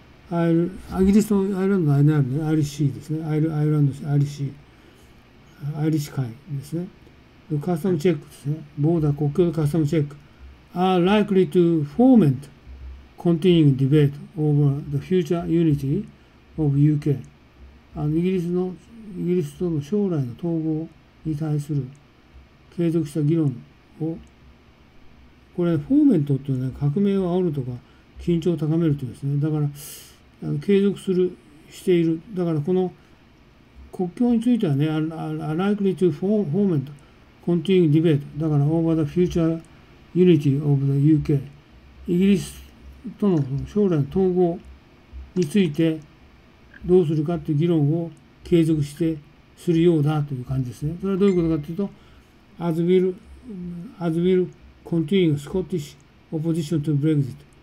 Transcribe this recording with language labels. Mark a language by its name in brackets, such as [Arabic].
[Japanese] アイギリスとアイランドの間にあるね、アイリッシーですね、アイランド、アイリッシー、アイリッシュ海ですね。カスタムチェックですね。ボーダー、国境のカスタムチェック。 [English] are likely to foment continuing debate over the future unity of UK。 [Japanese] イギリスとの将来の統合に対する継続した議論を、これ、フォーメントっていうのは、革命を煽るとか、緊張を高めるというんですね。だから、継続する、している。だから、この国境についてはね、 [English] are likely to foment。 Continuing debate。 [Japanese] だから、 [English] over the future unity of the UK。 [Japanese] イギリスとの将来の統合についてどうするかという議論を継続してするようだという感じですね。それはどういうことかというと、 [English] As will continuing Scottish opposition to Brexit。